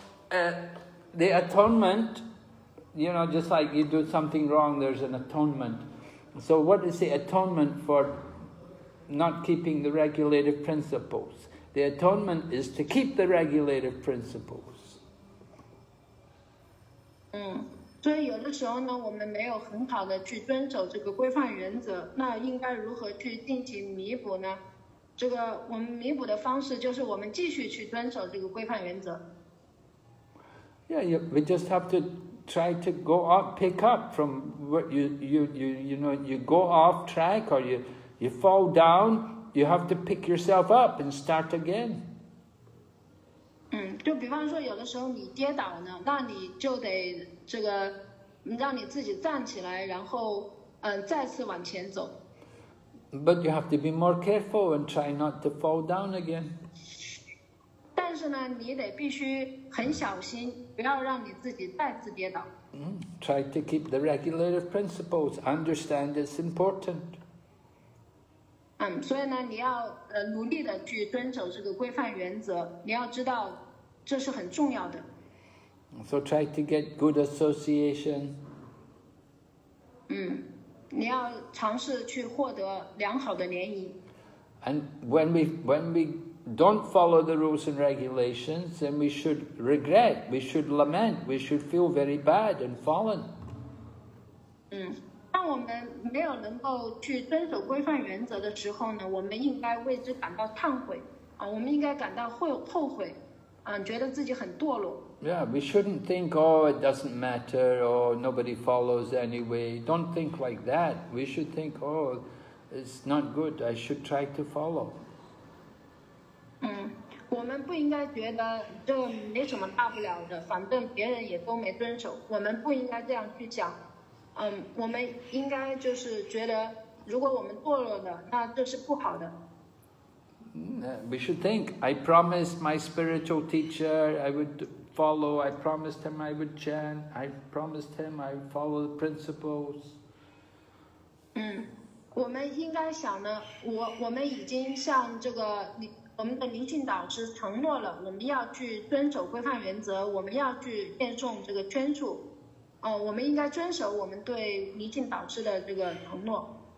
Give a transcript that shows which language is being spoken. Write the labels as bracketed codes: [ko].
[en] The atonement, you know, just like you do something wrong, there's an atonement. So, what is the atonement for not keeping the regulative principles? The atonement is to keep the regulative principles. [zh] 所以有的时候呢，我们没有很好的去遵守这个规范原则，那应该如何去进行弥补呢？这个我们弥补的方式就是我们继续去遵守这个规范原则。 [en] Yeah, we just have to try to go off, pick up from what you know, you go off track or you fall down. You have to pick yourself up and start again. [zh] 就比方说有的时候你跌倒呢，那你就得这个让你自己站起来，然后再次往前走。 [en] But you have to be more careful and try not to fall down again. [zh] 但是呢，你得必须很小心，不要让你自己再次跌倒。 [en] Try to keep the regulative principles. Understand it's important. [zh] 所以呢，你要努力的去遵守这个规范原则，你要知道这是很重要的。 [en] So try to get good association. [zh] 嗯，你要尝试去获得良好的联谊。 [en] And when we don't follow the rules and regulations, then we should regret, we should lament, we should feel very bad and fallen. [zh] 嗯，当我们没有能够去遵守规范原则的时候呢，我们应该为之感到忏悔啊，我们应该感到后悔，嗯，觉得自己很堕落。 [en] Yeah, we shouldn't think, oh, it doesn't matter, or nobody follows anyway. Don't think like that. We should think, oh, it's not good. I should try to follow. [zh] 嗯，我们不应该觉得这没什么大不了的，反正别人也都没遵守。我们不应该这样去想。嗯，我们应该就是觉得，如果我们堕落的，那这是不好的。 [en] We should think, I promised my spiritual teacher I would follow, I promised him I would chant, I promised him I would follow the principles. [zh] 嗯，我们应该想呢，我们已经向这个我们的灵性导师承诺了，我们要去遵守规范原则，我们要去念诵这个捐助，我们应该遵守我们对灵性导师的这个承诺。